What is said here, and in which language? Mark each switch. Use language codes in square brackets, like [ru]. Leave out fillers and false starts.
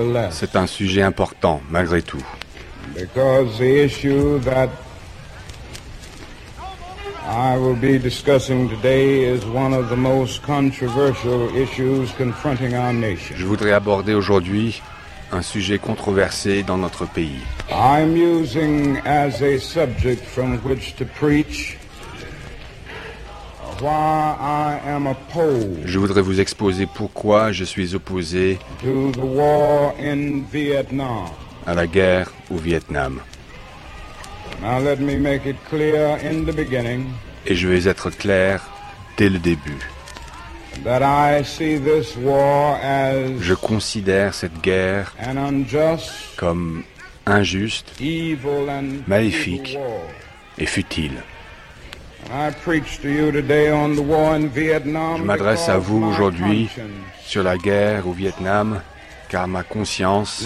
[fr] C'est un sujet important, malgré tout. Je voudrais aborder aujourd'hui un sujet controversé dans notre pays. [en] I'm using as a subject from which to preach why I am opposed. [fr] Je voudrais vous exposer pourquoi je suis opposé [en] to the war in Vietnam. [fr] À la guerre au Vietnam. [en] Now let me make it clear in the beginning. [fr] Et je vais être clair dès le début. [en] That I see this war as [fr] je considère cette guerre [en] an unjust, [fr] comme injuste, [en] evil and [fr] maléfique [en] evil war. [fr] Et futile. [en] I preach to you today on the war in Vietnam. [fr] Je m'adresse à vous aujourd'hui sur la guerre au Vietnam car ma conscience